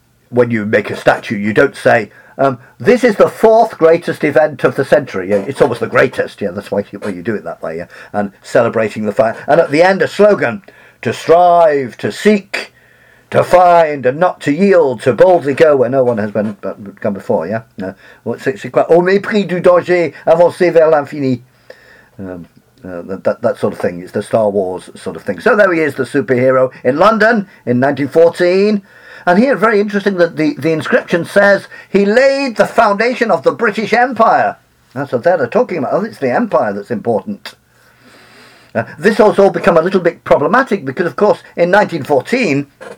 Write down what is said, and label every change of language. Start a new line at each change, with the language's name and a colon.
English: When you make a statue, you don't say, this is the fourth greatest event of the century. Yeah, it's almost the greatest. Yeah, that's why you do it that way. Yeah, and celebrating the fire. And at the end, a slogan, to strive, to seek, to find, and not to yield, to boldly go where no one has gone before, yeah?
French: Au mépris du danger, avancer vers l'infini.
English: That sort of thing. It's the Star Wars sort of thing. So there he is, the superhero, in London, in 1914. And here, very interesting, that the inscription says, he laid the foundation of the British Empire. That's what they're talking about. Oh, it's the Empire that's important. This has all become a little bit problematic, because, of course, in 1914...